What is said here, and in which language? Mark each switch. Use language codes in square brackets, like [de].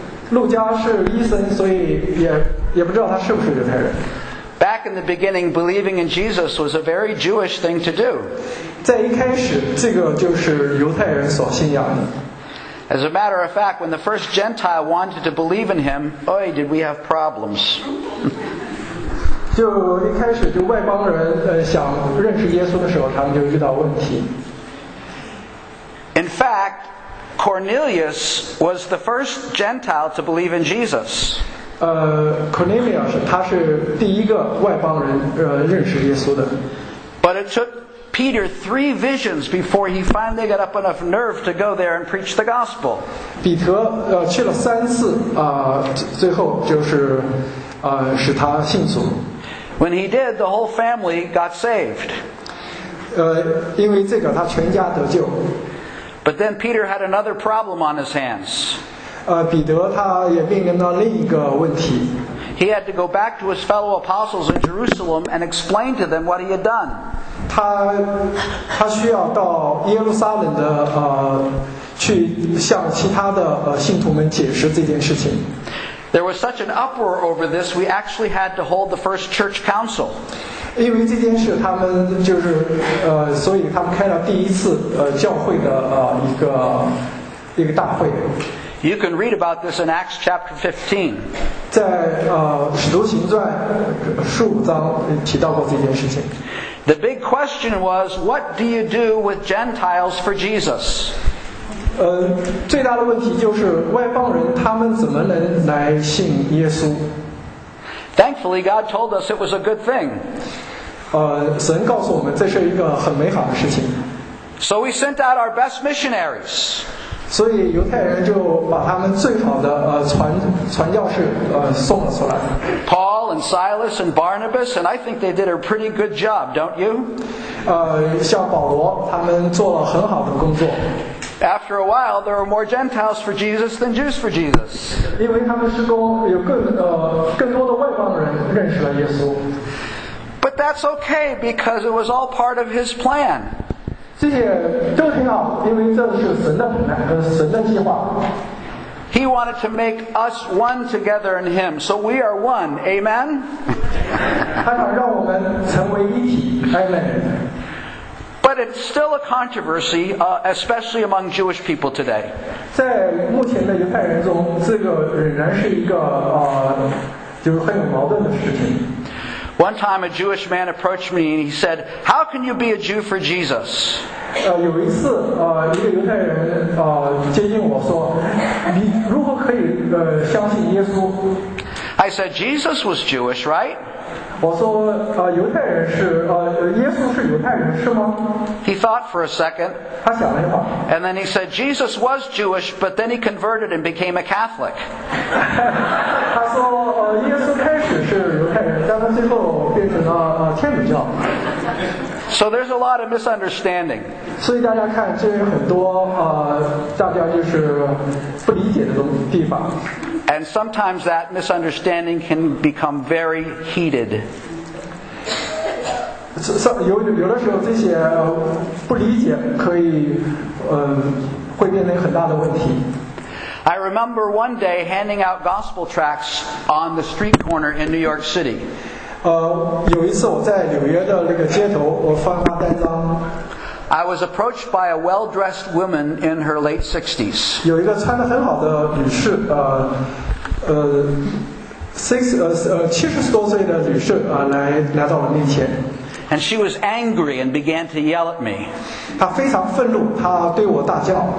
[zh] 路加是医生，所以也不知道他是不是犹太人。 [en] Back in the beginning, believing in Jesus was a very Jewish thing to do. [zh] 在一开始，这个就是犹太人所信仰的。 [en] As a matter of fact, when the first Gentile wanted to believe in him, oy, did we have problems. [zh] 就一开始就外邦人想认识耶稣的时候，他们就遇到问题。 [en] In fact, Cornelius was the first Gentile to believe in Jesus. [zh] Cornelius, 他是第一个外邦人认识耶稣的。 [en] But it took Peter three visions before he finally got up enough nerve to go there and preach the gospel. [zh] 彼得去了三次最后就是使他信主。 [en] When he did, the whole family got saved. [zh] 因为这个他全家得救。 [en] But then Peter had another problem on his hands. [zh] 彼得他也面临到另一个问题。 [en] He had to go back to his fellow apostles in Jerusalem and explain to them what he had done. [zh] 他需要到耶路撒冷的去向其他的信徒们解释这件事情。 [en] There was such an uproar over this, we actually had to hold the first church council. [zh] 因为这件事，他们就是所以他们开了第一次教会的一个大会。 [en] You can read about this in Acts chapter 15. [zh] 在使徒行传十五章提到过这件事情。 [en] The big question was, what do you do with Gentiles for Jesus? [zh] 最大的问题就是外邦人他们怎么能来信耶稣。 [en] Thankfully, God told us it was a good thing. [zh] 神告诉我们这是一个很美好的事情。 [en] So we sent out our best missionaries. [zh] 所以犹太人就把他们最好的传教士送了出来。 [en] Paul and Silas and Barnabas, and I think they did a pretty good job, don't you? [zh] 像保罗他们做了很好的工作。 [en] After a while, there were more Gentiles for Jesus than Jews for Jesus. [zh] 因为他们施工有更多的外邦人认识了耶稣。 [en] But that's okay because it was all part of his plan. [zh] 这些都挺好，因为这是神的神的计划。 [en] He wanted to make us one together in Him, so we are one. Amen. [zh] 他想让我们成为一体。Amen. [en] But it's still a controversy, especially among Jewish people today. [zh] 在目前的犹太人中，这个仍然是一个就是很有矛盾的事情。 [en] One time a Jewish man approached me and he said, How can you be a Jew for Jesus? [zh] 有一次一个犹太人接近我说你如何可以相信耶稣? [en] I I said Jesus was Jewish, right? [zh] 我说犹太人是耶稣是犹太人是吗？ [en] He thought for a second. [zh] 他想了一会儿。 [en] And then he said Jesus was Jewish, but then he converted and became a Catholic. [zh] 他说耶稣开始是犹太人，但他最后变成了天主教。 [en] So there's a lot of misunderstanding. [zh] 所以大家看，这有很多大家就是不理解的地方。 [en] And sometimes that misunderstanding can become very heated. [zh] 有的时候这些不理解可以会变成很大的问题。 [en] I remember one day handing out gospel tracts on the street corner in New York City. [zh] 有一次我在纽约的那个街头，我发发单张。 [en] I was approached by a well-dressed woman in her late 60s. [zh] 有一个穿得很好的女士，70多岁的女士啊，来到我面前。 [en] And she was angry and began to yell at me. [zh] 她非常愤怒，她对我大叫。